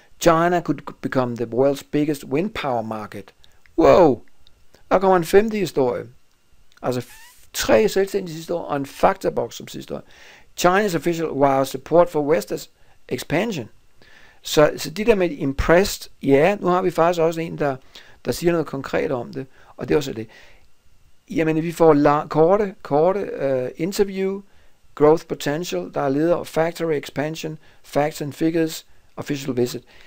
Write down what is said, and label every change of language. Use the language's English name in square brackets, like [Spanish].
[English] China could become the world's biggest wind power market. [Danish] Wow! Der kommer en femte historie. Altså tre selvstændige historier og en faktaboks som sidste år. [English] China's official wow support for Vestas expansion. [Danish] Så de der med impressed, ja, nu har vi faktisk også en, der siger noget konkret om det, og det er også det. Jamen, vi får korte interview, [English] growth potential, [Danish] der er leder, [English] factory expansion, facts and figures, official visit.